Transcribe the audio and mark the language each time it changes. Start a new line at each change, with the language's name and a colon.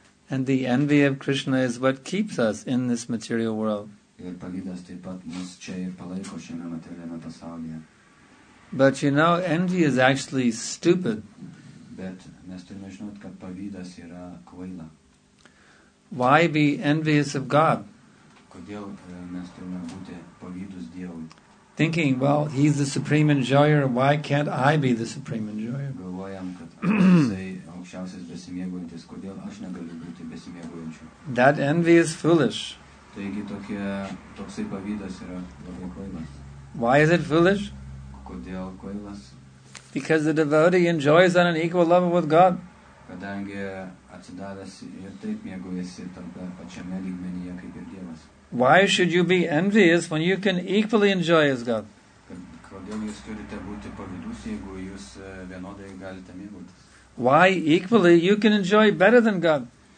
English: And the envy of Krishna is what keeps us in this material world.
Lithuanian: Ir pavydas taip pat mus čia ir palaiko šiame materialiame pasaulyje.
English: But you know, envy is actually stupid.
Lithuanian: Bet mes turime žinot, kad pavydas yra kvaila.
English: Why be envious of God?
Lithuanian: Kodėl mes turime būti pavydus Dievui?
English: Thinking, well, he's the supreme enjoyer, why can't I be the supreme enjoyer?
Lithuanian: Galvojam, kad jisai aukščiausias besimėgojantis, kodėl aš negaliu būti besimėgojančiu?
English: That envy is foolish.
Lithuanian: Taigi toksai pavydas yra labai kvailas.
English: Why is it foolish?
Lithuanian: Kodėl kvailas?
English: Because the devotee enjoys on an equal level with God.
Lithuanian: Kadangi atsidavęs ir taip mėgaujasi tarpe pačiame lygmenyje kaip ir Dievas.
English: Why should you be envious when you can equally enjoy as God?
Lithuanian: Kodėl jūs turite būti pavydus, jeigu jūs vienodai galite mėgautis?
English: Why equally you can enjoy better than God?